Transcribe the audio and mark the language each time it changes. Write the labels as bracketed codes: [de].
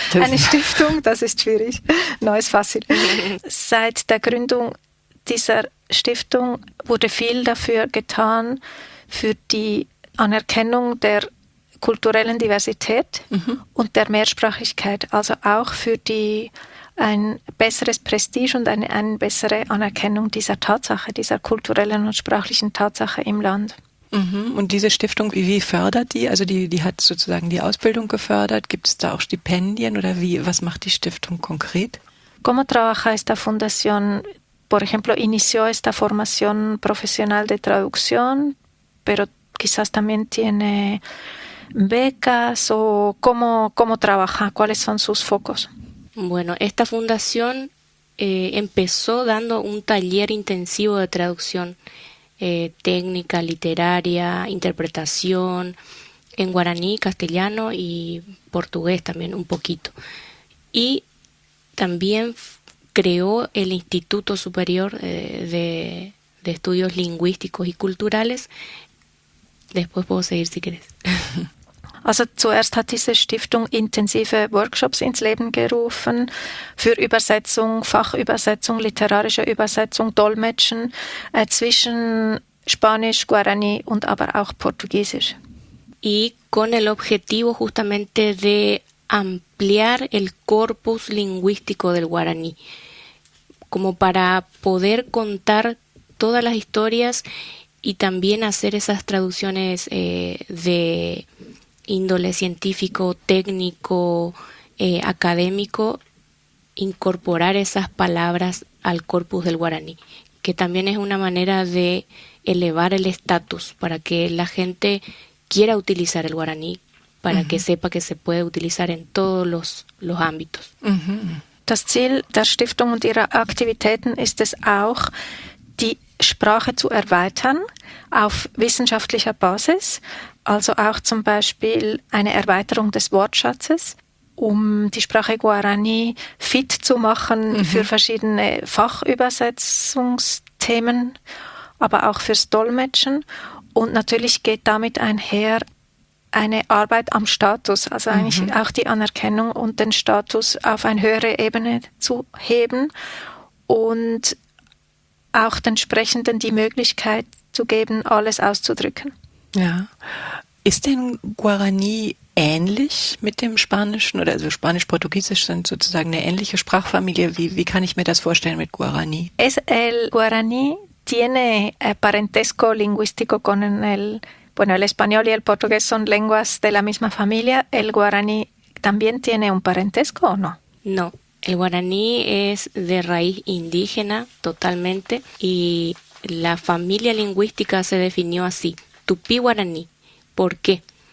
[de] Eine Stiftung, das ist schwierig. [es] No, es fácil. [de] Seit der Gründung dieser Stiftung wurde viel dafür getan, für die Anerkennung der kulturellen Diversität und der Mehrsprachigkeit, also auch für die ein besseres Prestige und eine bessere Anerkennung dieser Tatsache, dieser kulturellen und sprachlichen Tatsache im Land. Mhm. Und diese Stiftung, wie fördert die? Also die hat sozusagen die Ausbildung gefördert. Gibt es da auch Stipendien oder was macht die Stiftung konkret? [es] ¿Cómo trabaja esta fundación? Por ejemplo, inició esta formación profesional de traducción, pero quizás también tiene becas o cómo trabaja, cuáles son sus focos. Bueno, esta fundación empezó dando un taller intensivo de traducción técnica, literaria, interpretación en guaraní, castellano y portugués también un poquito. Y también creó el Instituto Superior de Estudios Lingüísticos y Culturales. Después puedo seguir si quieres. [de] Also zuerst hat diese Stiftung intensive Workshops ins Leben gerufen für Übersetzung, Fachübersetzung, literarische Übersetzung, Dolmetschen zwischen Spanisch, Guarani und aber auch Portugiesisch. [es] Y con el objetivo justamente de ampliar el corpus lingüístico del guaraní, como para poder contar todas las historias y también hacer esas traducciones de índole científico, técnico, académico, incorporar esas palabras al corpus del guaraní, que también es una manera de elevar el estatus para que la gente quiera utilizar el guaraní, para que sepa que se puede utilizar en todos los ámbitos. [de] Das Ziel der Stiftung und ihrer Aktivitäten ist es auch, die Sprache zu erweitern auf wissenschaftlicher Basis, also auch zum Beispiel eine Erweiterung des Wortschatzes, um die Sprache Guarani fit zu machen für verschiedene Fachübersetzungsthemen, aber auch fürs Dolmetschen. Und natürlich geht damit einher eine Arbeit am Status, also eigentlich auch die Anerkennung und den Status auf eine höhere Ebene zu heben und auch den Sprechenden die Möglichkeit zu geben, alles auszudrücken. Ja. Ist denn Guarani ähnlich mit dem Spanischen? Oder also Spanisch-Portugiesisch sind sozusagen eine ähnliche Sprachfamilie. Wie kann ich mir das vorstellen mit Guarani? [es] Es el Guarani tiene parentesco lingüístico con el, bueno, el español y el portugués son lenguas de la misma familia. ¿El guaraní también tiene un parentesco o no? No, el guaraní es de raíz indígena totalmente y la familia lingüística se definió así, tupí-guaraní. ¿Por qué?